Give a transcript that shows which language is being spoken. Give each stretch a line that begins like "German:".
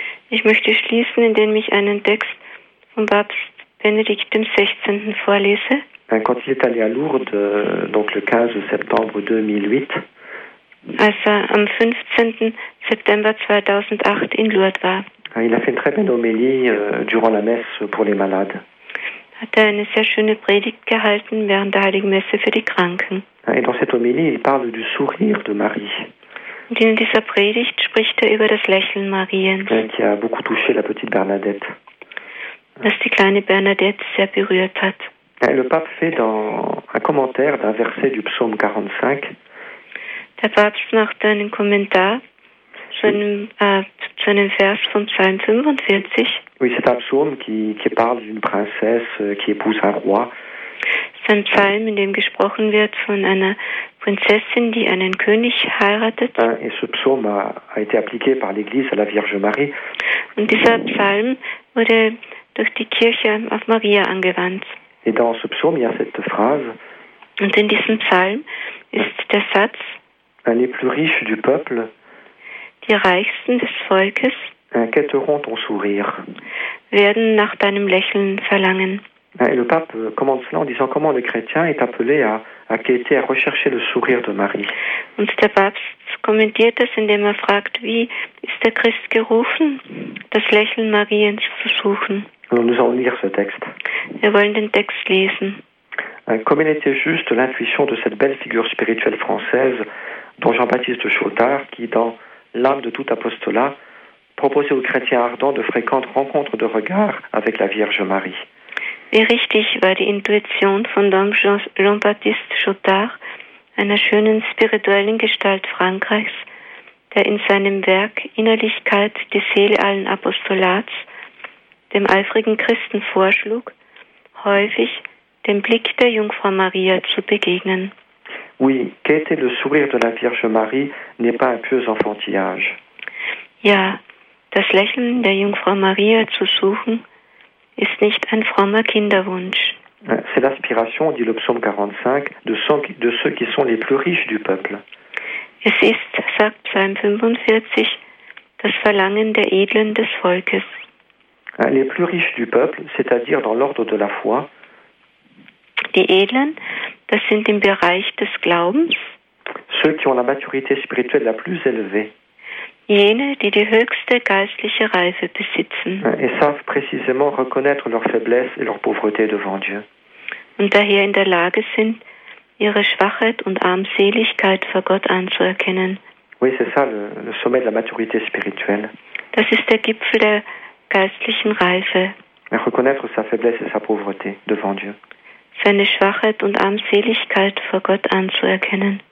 German: Ich möchte schließen, indem ich einen Text vom Papst Benedikt XVI. Vorlese.
French: Quand il est allé à Lourdes, donc le 15 septembre 2008.
German: Als er am 15. September 2008 in Lourdes war.
French: Il a fait une très belle homélie durant la messe pour les malades.
German: Hat er eine sehr schöne Predigt gehalten während der Heiligen Messe für die Kranken.
French: Et dans cette homélie, il parle du sourire de Marie.
German: Und in dieser Predigt spricht er über das Lächeln Mariens.
French: Qui a beaucoup touché la petite Bernadette.
German: Das die kleine Bernadette sehr berührt hat.
French: Le pape fait dans un commentaire d'un verset du psaume 45.
German: Der Papst macht einen Kommentar zu einem Vers vom Psalm 45.
French: Oui, c'est un psaume qui parle d'une princesse qui épouse un roi. C'est un
German: psalm, in dem gesprochen wird von einer Prinzessin, die einen König heiratet.
French: Et ce psaume a été appliqué par l'Église à la Vierge Marie.
German: Und dieser Psalm wurde durch die Kirche auf Maria angewandt.
French: Et dans ce psaume, il y a cette phrase.
German: Und in diesem Psalm ist der Satz.
French: Les plus riches du peuple.
German: Die reichsten des Volkes.
French: Quêteront ton sourire.
German: Werden nach deinem Lächeln verlangen.
French: Et le pape commence cela en disant comment le chrétien est appelé à quêter, à rechercher le sourire de Marie.
German: Und der Papst kommentiert es, indem er fragt, wie ist der Christ gerufen, das Lächeln Mariens zu suchen.
French: Nous allons lire ce texte.
German: Wir wollen den Text lesen.
French: Comme il était juste l'intuition de cette belle figure spirituelle française, dont Jean-Baptiste Chautard, qui, dans l'âme de tout apostolat, proposait aux chrétiens ardents de fréquentes rencontres de regard avec la Vierge Marie.
German: Wie richtig war die Intuition von Dom Jean-Baptiste Chautard, einer schönen spirituellen Gestalt Frankreichs, der in seinem Werk Innerlichkeit, die Seele allen Apostolats, dem eifrigen Christen vorschlug, häufig dem Blick der Jungfrau Maria zu begegnen.
French: Oui, qu'était le sourire de la Vierge Marie n'est pas un pieux enfantillage.
German: Ja, das Lächeln der Jungfrau Maria zu suchen, ist nicht ein frommer Kinderwunsch.
French: C'est l'aspiration, dit le psaume 45, de ceux qui sont les plus riches du peuple.
German: Es ist, sagt Psalm 45, das Verlangen der Edlen des Volkes.
French: Les plus riches du peuple, c'est-à-dire dans l'ordre de la foi.
German: Die Edlen, das sind im Bereich des Glaubens.
French: Ceux qui ont la maturité spirituelle la plus élevée.
German: Jene, die höchste geistliche Reife besitzen.
French: Et savent précisément reconnaître leur faiblesse et leur pauvreté devant Dieu.
German: Und daher in der Lage sind, ihre Schwachheit und Armseligkeit vor Gott anzuerkennen.
French: Oui, c'est ça le sommet de la maturité spirituelle.
German: Das ist der Gipfel der geistlichen Reife.
French: Et reconnaître sa faiblesse et sa pauvreté devant Dieu.
German: Seine Schwachheit und Armseligkeit vor Gott anzuerkennen.